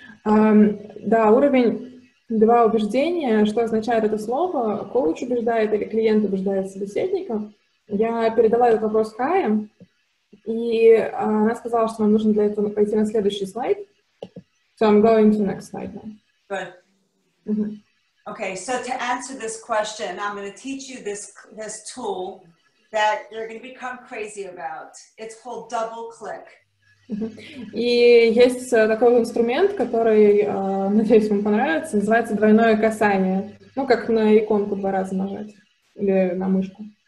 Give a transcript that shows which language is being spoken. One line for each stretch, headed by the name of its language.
Russian: Да, уровень 2 убеждения, что означает это слово, коуч убеждает или клиент убеждает собеседника. Я передала этот вопрос Хае, и она сказала, что нам нужно для этого пойти на следующий слайд.
English: So I'm going to next slide now. Good. Mm-hmm. Okay, so to answer this question, I'm going to teach you this tool that you're going to become crazy about. It's called double click.
Russian: И есть такой инструмент, который, надеюсь, вам понравится, называется двойное касание. Ну, как на иконку два раза нажать или на мышку.